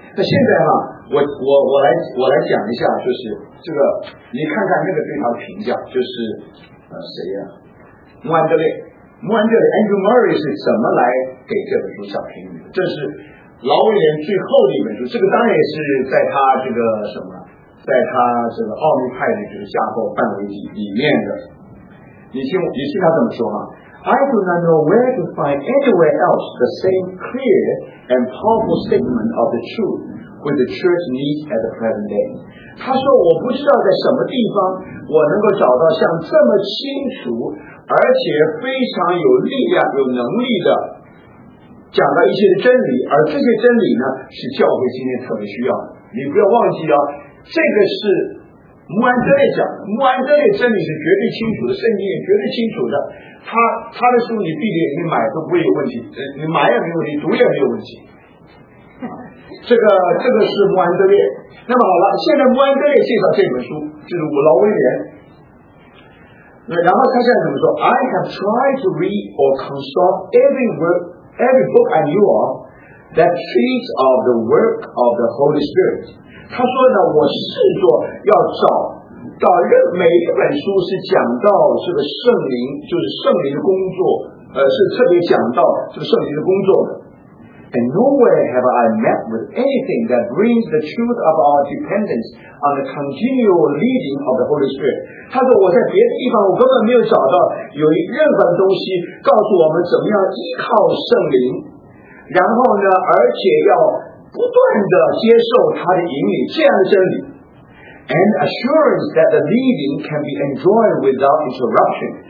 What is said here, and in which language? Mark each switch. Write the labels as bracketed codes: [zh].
[zh] 那现在哈，我来讲一下，就是这个，你看看那个对他的评价，就是谁呀、啊？穆安德烈 Andrew Murray 是怎么来给这本书下评语的？这是劳威廉最后的一本书，这个当然也是在他这个什么，在他这个奥秘派的这个架构范围里面的。你听他怎么说哈、啊？ [en] I do not know where to find anywhere else the same clear and powerful statement of the truth which the church needs at the present day. [zh] 他说我不知道在什么地方我能够找到像这么清楚而且非常有力量有能力的讲到一些真理，而这些真理呢是教会今天特别需要的。你不要忘记啊，这个是穆安德烈讲的，穆安德烈真理是绝对清楚的，圣经也绝对清楚的，他的书你必定你买都不会有问题，你买也没有问题，读也没有问题。这个是穆安德烈。那么好了，现在穆安德烈介绍这本书，就是劳威廉。那然后他现在怎么说 [en] ？I have tried to read or consult every book I knew of that treats of the work of the Holy Spirit。 [zh] 他说呢，我试着要找。到任每一本书是讲到这个圣灵，就是圣灵的工作，是特别讲到这个圣灵的工作的。 [en] And nowhere have I met with anything that brings the truth of our dependence on the continual leading of the Holy Spirit. [zh] 他说我在别的地方我根本没有找到有任何东西告诉我们怎么样依靠圣灵，然后呢，而且要不断的接受他的引领，这样的真理。 [en] And assurance that the leading can be enjoyed without interruption.